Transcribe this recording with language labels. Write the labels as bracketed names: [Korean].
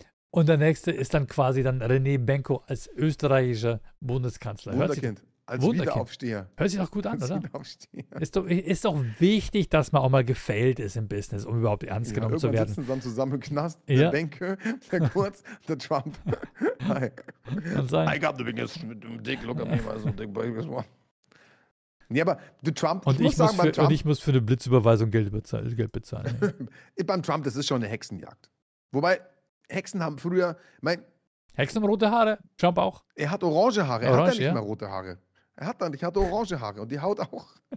[German] Und der nächste ist dann quasi dann René Benko als österreichischer Bundeskanzler. Wunderkind. Als Wunderkind. Wiederaufsteher. Hört sich doch gut an, oder? Ist doch wichtig, dass man auch mal gefailt ist im Business, um überhaupt ernst genommen zu werden. Irgendwann sitzen zusammen im Knast, ja. Der Banker, der Kurz, der Trump. Sein. [English] I got the biggest dick, look at me, my biggest one. [German] Nee, aber du Trump, und ich muss für eine Blitzüberweisung Geld bezahlen. Ja. Beim Trump, das ist schon eine Hexenjagd. Wobei, Hexen haben früher, Hexen haben rote Haare, Trump auch. Er hat orange Haare, er orange, hat ja nicht mehr rote Haare. Er hat dann, ich hatte orange Haare und die Haut auch.